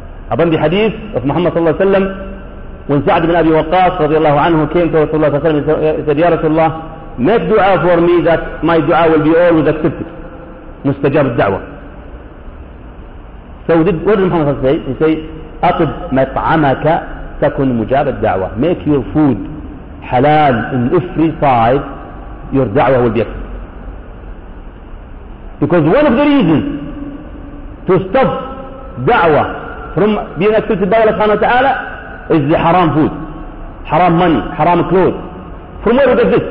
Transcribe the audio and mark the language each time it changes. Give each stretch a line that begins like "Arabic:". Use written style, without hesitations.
English: Upon the hadith of Muhammad sallallahu alayhi wa sallam, when Sa'd ibn Abi Waqqas radiallahu anhu came to Rasulullah sallallahu alayhi wa sallam, he said, Ya Rasulullah, make dua for me that my dua will be always accepted. Mustajab al-da'wah. So what did Muhammad say? He said,
Arabic: أَطِبْ مَطْعَمَكَ تَكُنْ مُجَابَ الدَّعْوَةِ.
English: Make your food halal in every side, your da'wah will be accepted. Because one of the reasons to stop da'wah from being accepted by Allah subhanahu wa ta'ala is the haram food, haram money, haram clothes. From where does this?